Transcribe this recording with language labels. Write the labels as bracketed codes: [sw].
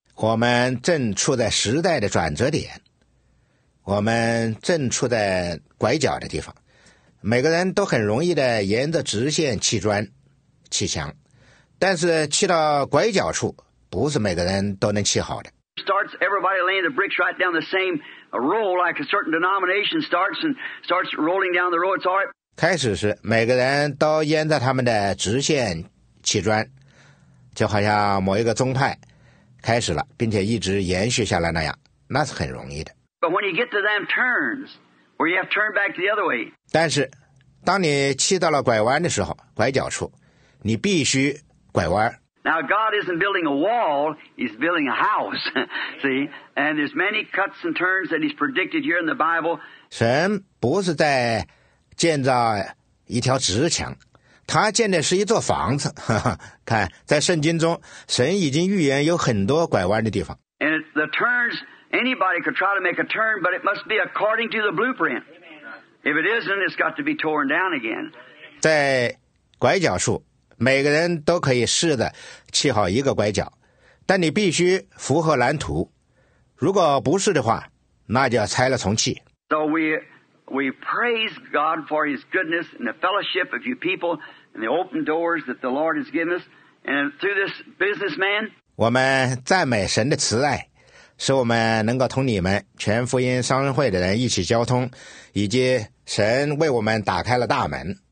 [zh] 我们正处在时代的转折点，我们正处在拐角的地方。每个人都很容易的沿着直线砌砖、砌墙。但是砌到拐角处，不是每个人都能砌好的。 [en] Starts everybody laying the bricks right down the same row, like a certain denomination starts and starts rolling down the row. It's all right. [zh] 开始时，每个人都沿着他们的直线砌砖，就好像某一个宗派开始了，并且一直延续下来那样，那是很容易的。 [en] But when you get to them turns, where you have to turn back the other way. [zh] 但是，当你砌到了拐弯的时候，拐角处，你必须。 [en] Now God isn't building a wall; He's building a house. See, and there's many cuts and turns that He's predicted here in the Bible. [zh] 神不是在建造一条直墙，他建的是一座房子。看，在圣经中，神已经预言有很多拐弯的地方。 [en] And the turns, anybody could try to make a turn, but it must be according to the blueprint. If it isn't, it's got to be torn down again. [zh] 在拐角处。每个人都可以试着砌好一个拐角，但你必须符合蓝图。如果不是的话，那就要拆了重砌。 [en] So we praise God for His goodness and the fellowship of you people and the open doors that the Lord has given us. And through this businessman, [zh] 我们赞美神的慈爱，使我们能够同你们全福音商人会的人一起交通，以及神为我们打开了大门。